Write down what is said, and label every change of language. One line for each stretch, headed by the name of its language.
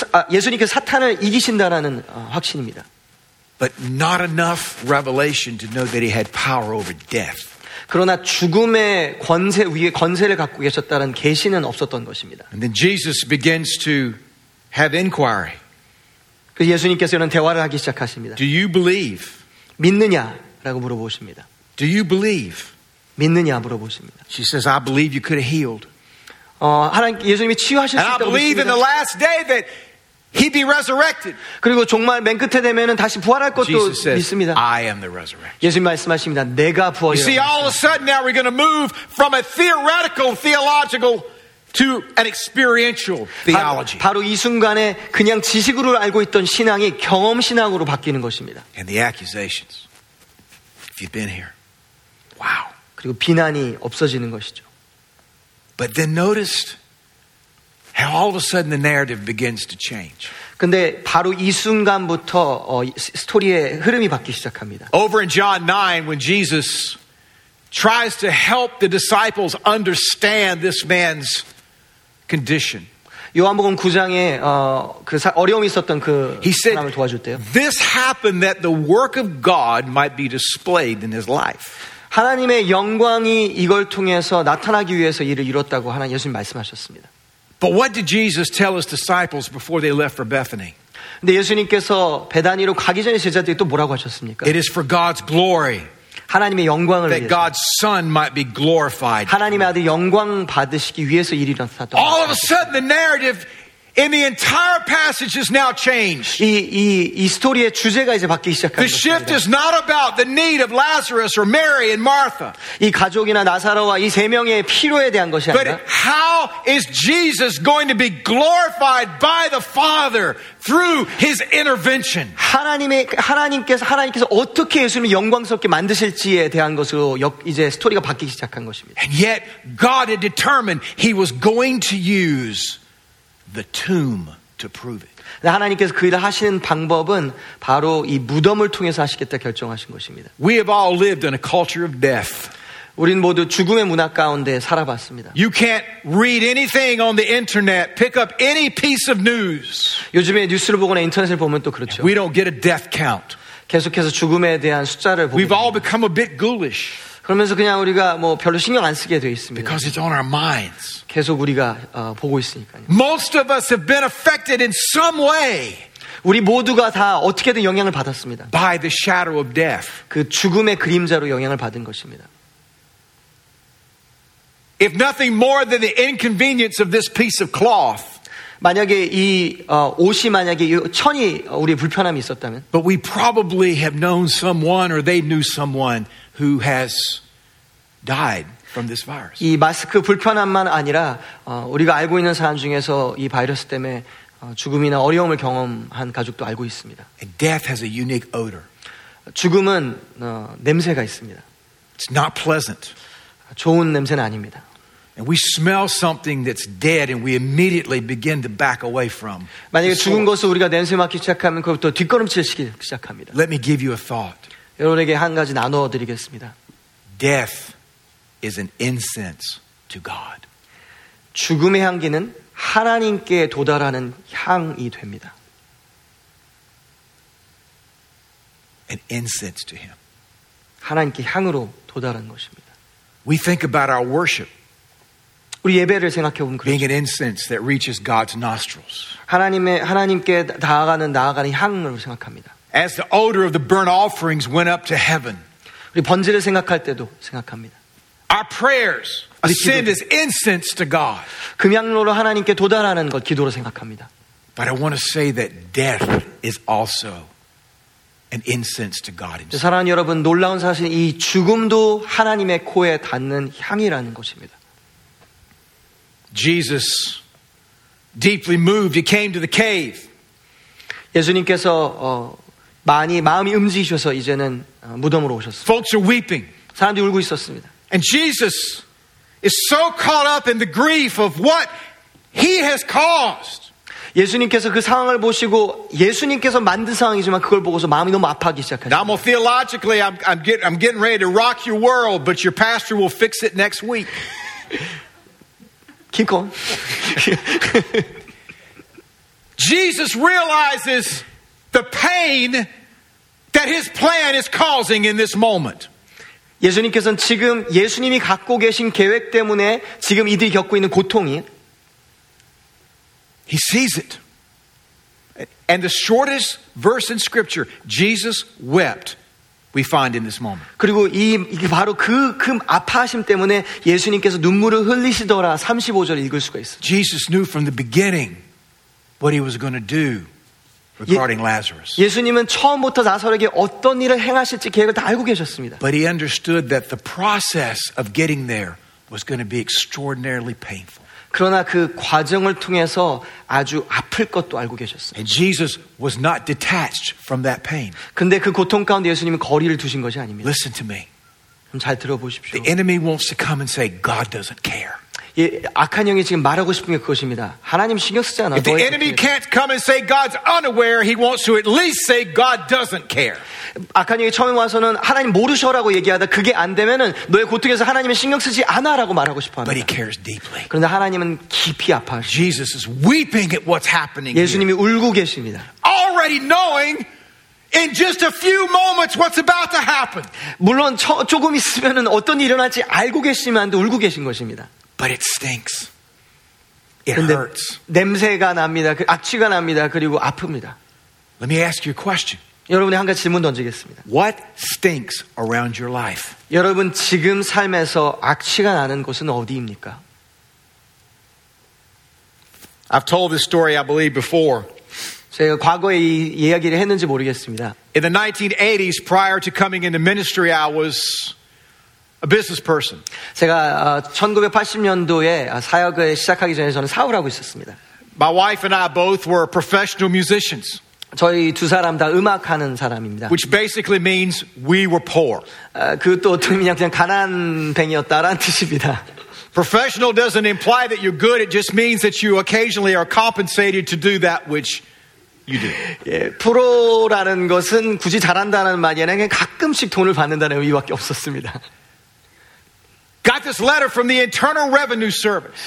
Korean: 예수님께서 사탄을 이기신다라는 확신입니다.
English: But not enough revelation to know that he had power over death.
Korean: 그러나 죽음의 권세 위에 권세를 갖고 계셨다는 계시는 없었던 것입니다.
English: And then Jesus begins to have inquiry.
Korean: 그 예수님께서는 대화를 하기 시작하십니다.
English: Do you believe?
Korean: 믿느냐라고 물어보십니다.
English: Do you believe?
Korean: 믿느냐 물어보십니다.
English: She says, I believe you could have healed.
Korean: 하나님 예수님이 치유하셨을 때 믿습니다.
English: I believe in the last day that He'd be resurrected.
Korean: 그리고 종말 맨 끝에 되면은 다시 부활할 것도 믿습니다.
English: I am the resurrection.
Korean: 예수님 말씀하십니다. 내가 부활이요.
English: You see, all of a sudden now we're going to move from a theoretical theological to an experiential theology.
Korean: 바로 이 순간에 그냥 지식으로 알고 있던 신앙이 경험 신앙으로 바뀌는 것입니다.
English: And the accusations. If you've been here. Wow.
Korean: 그리고 비난이 없어지는 것이죠.
English: But then noticed how all of a sudden the narrative begins to change.
Korean: 근데 바로 이 순간부터 스토리의 흐름이 바뀌기 시작합니다.
English: Over in John 9 when Jesus tries to help the disciples understand this man's condition.
Korean: 요한복음 9장에 어려움이 있었던 그 사람을 도와줄 때요.
English: This happened that the work of God might be displayed in his life.
Korean: 하나님의 영광이 이걸 통해서 나타나기 위해서 이를 이뤘다고 하나님 예수님 말씀하셨습니다.
English: But what did Jesus tell his disciples before they left for Bethany?
Korean: 근데 예수님께서 베다니로 가기 전에 제자들이 또 뭐라고 하셨습니까?
English: It is for God's glory.
Korean: 하나님의 영광을
English: that
Korean: 위해서.
English: God's Son might be glorified.
Korean: 하나님의 아들 영광 받으시기 위해서 일이 일어났다.
English: All of a sudden the narrative And the entire passage is now changed.
Korean: 이 스토리의 주제가 이제 바뀌기 시작합니다.
English: The shift is not about the need of Lazarus or Mary and Martha.
Korean: 이 가족이나 나사로와 이 세 명의 필요에 대한 것이 아니라.
English: But how is Jesus going to be glorified by the Father through His intervention?
Korean: 하나님께서 어떻게 예수님을 영광스럽게 만드실지에 대한 것으로 이제 스토리가 바뀌기 시작한 것입니다.
English: And yet God had determined He was going to use the tomb to prove it.
Korean: 하나님께서 그 일을 하시는 방법은 바로 이 무덤을 통해서 하시겠다 결정하신 것입니다.
English: We have all lived in a culture of death.
Korean: 우린 모두 죽음의 문화 가운데 살아봤습니다.
English: You can't read anything on the internet, pick up any piece of news.
Korean: 요즘에 뉴스를 보거나 인터넷을 보면 또 그렇죠.
English: We don't get a death count.
Korean: 계속해서 죽음에 대한 숫자를 보고.
English: We've all become a bit ghoulish.
Korean: 그러면서 그냥 우리가 뭐 별로 신경 안 쓰게 되어 있습니다.
English: Because it's on our minds.
Korean: 계속 우리가 보고 있으니까요.
English: Most of us have been affected in some way.
Korean: 우리 모두가 다 어떻게든 영향을 받았습니다.
English: By the shadow of death.
Korean: 그 죽음의 그림자로 영향을 받은 것입니다.
English: If nothing more than the inconvenience of this piece of cloth.
Korean: 만약에 이 옷이 만약에 이 천이 우리 불편함이 있었다면.
English: But we probably have known someone or they knew someone who has died from this virus.
Korean: 이 마스크 불편함만 아니라 우리가 알고 있는 사람 중에서 이 바이러스 때문에 죽음이나 어려움을 경험한 가족도 알고 있습니다.
English: And death has a unique odor.
Korean: 죽음은 냄새가 있습니다.
English: It's not pleasant.
Korean: 좋은 냄새는 아닙니다.
English: And we smell something that's dead and we immediately begin to back away from.
Korean: 만약에 죽은 것을 우리가 냄새 맡기 시작하면 그것부터 뒷걸음질 시작합니다.
English: Let me give you a thought.
Korean: 여러분에게 한 가지 나눠드리겠습니다.
English: Death is an incense to God.
Korean: 죽음의 향기는 하나님께 도달하는 향이 됩니다.
English: An incense to Him.
Korean: 하나님께 향으로 도달하는 것입니다.
English: We think about our worship.
Korean: 우리 예배를 생각해 보면 그렇죠.
English: Being an incense that reaches God's nostrils.
Korean: 하나님께 나아가는 향으로 생각합니다.
English: As the odor of the burnt offerings went up to heaven.
Korean: 우리 번제를 생각할 때도 생각합니다.
English: Our prayers ascend as incense to God.
Korean: 금향로로 하나님께 도달하는 것 기도로 생각합니다.
English: But I want to say that death is also an incense to God himself.
Korean: 사랑하는 여러분, 놀라운 사실 이 죽음도 하나님의 코에 닿는 향이라는 것입니다.
English: Jesus deeply moved. He came to the cave.
Korean: 예수님께서 많이 마음이 움직이셔서 이제는 무덤으로 오셨어요.
English: Folks are weeping.
Korean: 사람들이 울고 있었습니다.
English: And Jesus is so caught up in the grief of what he has caused.
Korean: 예수님께서 그 상황을 보시고 예수님께서 만든 상황이지만 그걸 보고서 마음이 너무 아파하기 시작하셨어요.
English: Now, theologically I'm getting ready to rock your world, but your pastor will fix it next week. Keep going. Jesus realizes the pain that his plan is causing in this moment.
Korean: 예수님께서는 지금 예수님이 갖고 계신 계획 때문에 지금 이들이 겪고 있는 고통이
English: He sees it. And the shortest verse in scripture, Jesus wept, we find in this moment.
Korean: 그리고 이게 바로 그 아파하심 때문에 예수님께서 눈물을 흘리시더라 35절을 읽을 수가 있어요.
English: Jesus knew from the beginning what he was going to do. Regarding Lazarus.
Korean: 예수님은 처음부터 나사로에게 어떤 일을 행하실지 계획을 다 알고 계셨습니다.
English: But he understood that the process of getting there was going to be extraordinarily painful.
Korean: 그러나 그 과정을 통해서 아주 아플 것도 알고 계셨습니다.
English: And Jesus was not detached from that pain.
Korean: 근데 그 고통 가운데 예수님은 거리를 두신 것이 아닙니다.
English: Listen to me.
Korean: 좀 잘 들어보십시오.
English: The enemy wants to come and say God doesn't care.
Korean: 예, 악한 영이 지금 말하고 싶은 게 그것입니다. 하나님 신경 쓰지 않아.
English: If the enemy can't come and say God's unaware, he wants to at least say God doesn't care.
Korean: 악한 영이 처음에 와서는 하나님 모르셔라고 얘기하다 그게 안 되면은 너의 고통에서 하나님은 신경 쓰지 않아라고 말하고 싶어 합니다.
English: But he cares deeply.
Korean: 그런데 하나님은 깊이 아파하십니다.
English: Jesus is weeping at what's happening.
Korean: 예수님이 울고 계십니다.
English: Already knowing in just a few moments what's about to happen.
Korean: 물론 조금 있으면은 어떤 일이 일어날지 알고 계시면서 울고 계신 것입니다.
English: But it stinks. It hurts.
Korean: 냄새가 납니다. 악취가 납니다. 그리고 아픕니다.
English: Let me ask you a question.
Korean: 여러분이 한 가지 질문 던지겠습니다.
English: What stinks around your life?
Korean: 여러분 지금 삶에서 악취가 나는 곳은 어디입니까?
English: I've told this story, I believe, before.
Korean: 제가 과거에 이 이야기를 했는지 모르겠습니다.
English: In the 1980s, prior to coming into ministry, I was a business person.
Korean: 제가 1980년도에 사역을 시작하기 전에 저는 사업을 하고 있었습니다.
English: My wife and I both were professional musicians.
Korean: 저희 두 사람 다 음악하는 사람입니다.
English: Which basically means we were poor.
Korean: 그것도 어떤 의미냐 그냥 가난뱅이였다라는 뜻입니다.
English: Professional doesn't imply that you're good. It just means that you occasionally are compensated to do that which you do.
Korean: 예, 프로라는 것은 굳이 잘한다는 말이 아니라 그냥 가끔씩 돈을 받는다는 의미밖에 없었습니다.
English: Got this letter from the Internal Revenue Service.